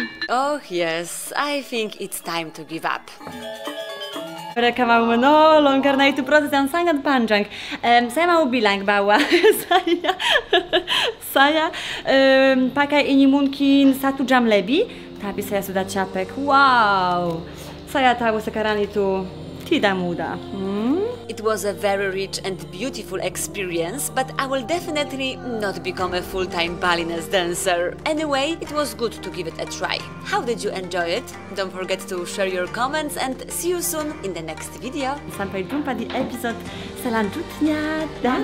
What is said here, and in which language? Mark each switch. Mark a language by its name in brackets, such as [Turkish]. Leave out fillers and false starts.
[English] Oh yes, I think it's time to give up. [Indonesian] Mereka mau menolong karena itu proses yang sangat panjang. Saya mau bilang bahwa saya pakai ini mungkin 1 jam lebih. Tapi saya sudah capek. Wow! Saya tahu sekarang itu tidak mudah. [English] It was a very rich and beautiful experience, but I will definitely not become a full-time Balinese dancer. Anyway, it was good to give it a try. How did you enjoy it? Don't forget to share your comments and see you soon in the next video. [Indonesian] Sampai jumpa di episode selanjutnya. Dadah!